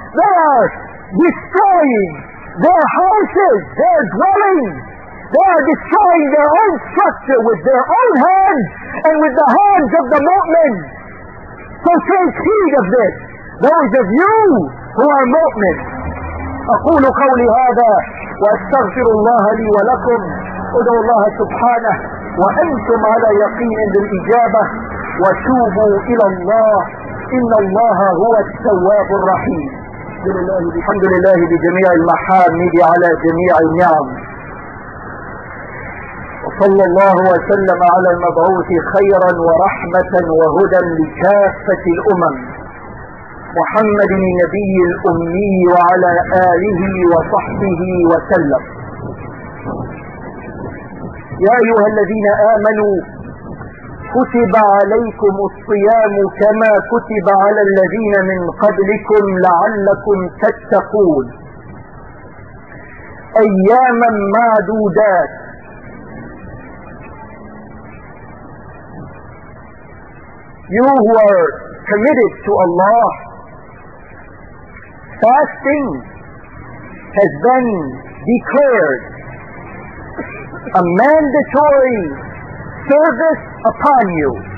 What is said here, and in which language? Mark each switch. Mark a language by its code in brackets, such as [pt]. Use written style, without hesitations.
[en] They are destroying their houses, their dwellings. They are destroying their own structure with their own hands and with the hands of the mu'min. So take heed of this, those of you who are mu'min. [ar] أقول قولي هذا وأستغفر الله لي ولكم. أدعو الله سبحانه وأنتم على يقين بالإجابة وتوبوا إلى الله إن الله هو التواب الرحيم. الحمد لله بجميع المحامد على جميع النعم، وصلى الله وسلم على المبعوث خيرا ورحمة وهدى لكافة الأمم محمد النبي الأمي وعلى آله وصحبه وسلم. يا أيها الذين آمنوا كتب عليكم الصيام كما كتب على الذين من قبلكم لعلكم تتقون. أياما معدودات، [en] you who are committed to Allah, fasting has been declared a mandatory service upon you,